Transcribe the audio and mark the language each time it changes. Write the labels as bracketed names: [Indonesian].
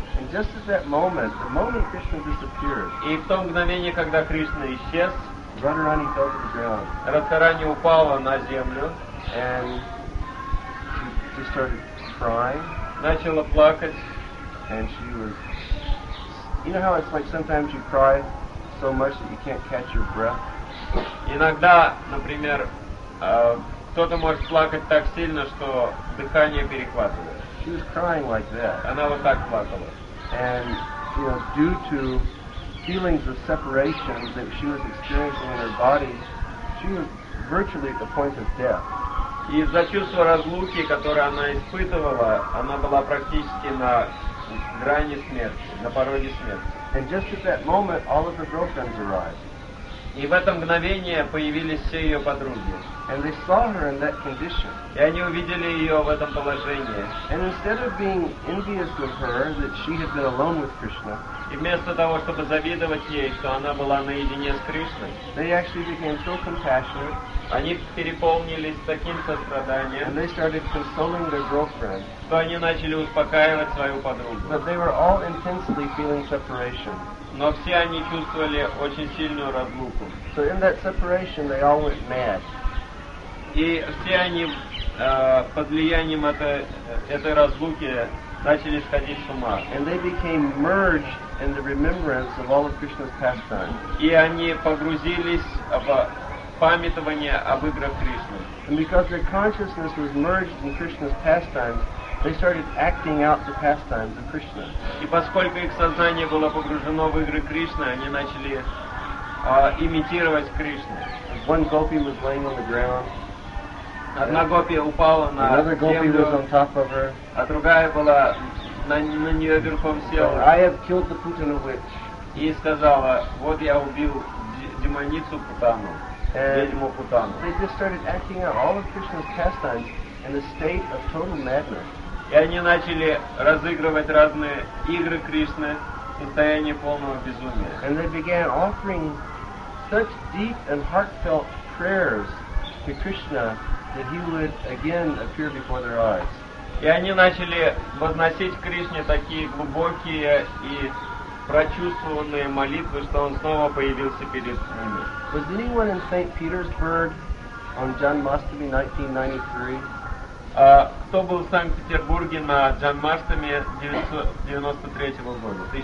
[English] Just at that moment, the moment Krishna disappeared, [Russian] и в то мгновение, когда Кришна исчез, [English] Радхарани fell to the ground. [Russian] Радхарани упала на землю, [English] and she just started crying. [Russian] Начала плакать, [English] and she was. You know how it's like sometimes you cry so much that you can't catch your breath. [Russian] Иногда, например, кто-то может плакать так сильно, что дыхание перехватывает. [English] She was crying like that. [Russian] Она вот так плакала. [English] And, you know, due to feelings of separation that she was experiencing in her body, she was virtually at the point of death. [Russian] И из-за чувства разлуки, которое она испытывала, она была практически на грани смерти, на пороге смерти. [English] And just at that moment, all of her girlfriends arrived. [Russian] И в это мгновение появились все ее подруги. [English] And they saw her in that condition. [Russian] И они увидели ее в этом положении. [English] And instead of being envious of her that she had been alone with Krishna, [Russian] и вместо того, чтобы завидовать ей, что она была наедине с Кришной, [English] they actually became so compassionate. [Russian] Они переполнились таким состраданием. [English] And they started consoling their girlfriend. [Russian] Что они начали успокаивать свою подругу. [English] But they were all intensely feeling separation. [Russian] Но все они чувствовали очень сильную разлуку. [English] So in that separation, they all went mad. [Russian] И все они под влиянием этой разлуки начали сходить с ума. [English] And they became merged in the remembrance of all of Krishna's pastimes. [Russian] И они погрузились в памятование об играх Кришны. [English] And because their consciousness was merged in Krishna's pastimes, they started acting out the pastimes of Krishna. [Russian] И поскольку их сознание было погружено в игры Кришны, они начали имитировать Кришну. [English] One gopi was laying on the ground. [Russian] Одна гопи упала на землю. [English] Another gopi was on top of her. [Russian] А другая была на нее верхом села. [English] I have killed the Putana witch. [Russian] И сказала, вот я убил демоницу Путану. Ведьму Путану. [English] They just started acting out all of Krishna's pastimes in a state of total madness. [Russian] И они начали разыгрывать разные игры Кришны в состоянии полного безумия. [English] And they began offering such deep and heartfelt prayers to Krishna that he would again appear before their eyes. [Russian] И они начали возносить Кришне такие глубокие и прочувствованные молитвы, что он снова появился перед ними. [English] Was anyone in St. Petersburg on Janmashtami 1993? [Russian] Кто был в Санкт-Петербурге на Джанмаштаме 1993 года?